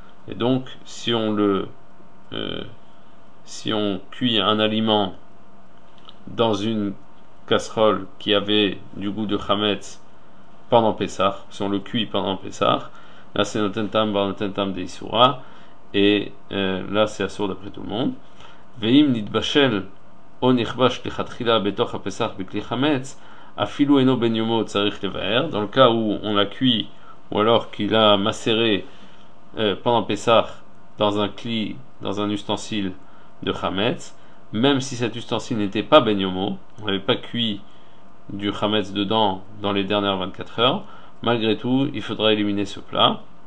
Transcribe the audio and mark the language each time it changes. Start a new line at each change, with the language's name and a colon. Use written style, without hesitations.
French: Et donc, si on cuit un aliment dans une casserole qui avait du goût de Hametz pendant Pessah, si on le cuit pendant Pessah, là, c'est
Hebrew: noten tam bar noten tam
French: de Issoura. Et là, c'est Assour d'après tout le monde.
Hebrew: Veim nitbashel או נכבש לכתחילה בתוך הפסח בכלי חמץ, אפילו אינו בן יומו צריך לבאר.
French: Dans le cas où on l'a cuit, ou alors qu'il a macéré pendant Pessah dans un kli, dans un ustensile de chametz, même si cet ustensile n'était pas ben yomo, on n'avait pas cuit du chametz dedans dans les dernières 24 heures, malgré tout, il faudra éliminer ce plat.